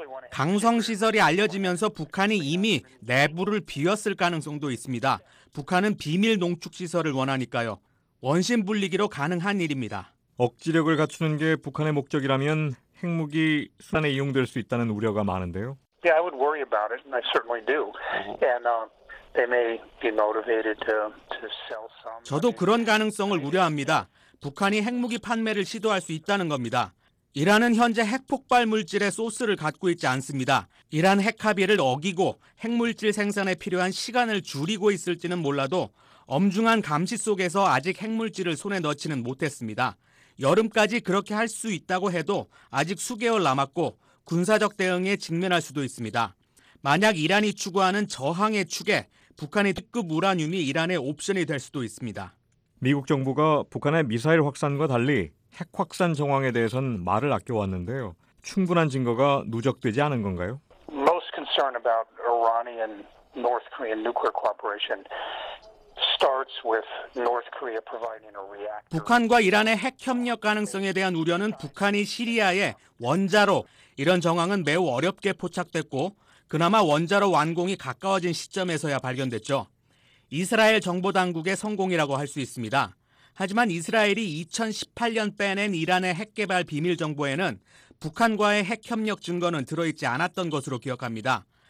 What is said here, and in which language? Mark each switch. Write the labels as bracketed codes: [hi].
[ko] 강성 시설이 알려지면서 북한이 이미 내부를 비웠을 가능성도 있습니다. 북한은 비밀 농축 시설을 원하니까요. 원심 분리기로 가능한 일입니다. 억지력을 갖추는 게 북한의 목적이라면 핵무기 수단에 이용될 수 있다는 우려가 많은데요. [en] Yeah, I would worry about it, and I certainly do. And they may be motivated to sell some. [ko] 저도 그런 가능성을 우려합니다. 북한이 핵무기 판매를 시도할 수 있다는 겁니다. 이란은 현재 핵폭발 물질의 소스를 갖고 있지 않습니다. 이란 핵합의를 어기고 핵물질 생산에 필요한 시간을 줄이고 있을지는 몰라도 엄중한 감시 속에서 아직 핵물질을 손에 넣지는 못했습니다. 여름까지 그렇게 할 수 있다고 해도 아직 수개월 남았고 군사적 대응에 직면할 수도 있습니다. 만약 이란이 추구하는 저항의 축에 북한의 특급 우라늄이 이란의 옵션이 될 수도 있습니다. 미국 정부가 북한의 미사일 확산과 달리 핵 확산 정황에 대해서는 말을 아껴왔는데요. 충분한 증거가 누적되지 않은 건가요? [en] Most concern about Iranian North Korean nuclear cooperation starts with North Korea providing a reactor. [ko] 북한과 이란의 핵 협력 가능성에 대한 우려는 북한이 시리아에 원자로 이런 정황은 매우 어렵게 포착됐고 그나마 원자로 완공이 가까워진 시점에서야 발견됐죠. 이스라엘 정보 당국의 성공이라고 할 수 있습니다. 하지만 이스라엘이 2018년 빼낸 이란의 핵 개발 비밀 정보에는 북한과의 핵 협력 증거는 들어있지 않았던 것으로 기억합니다.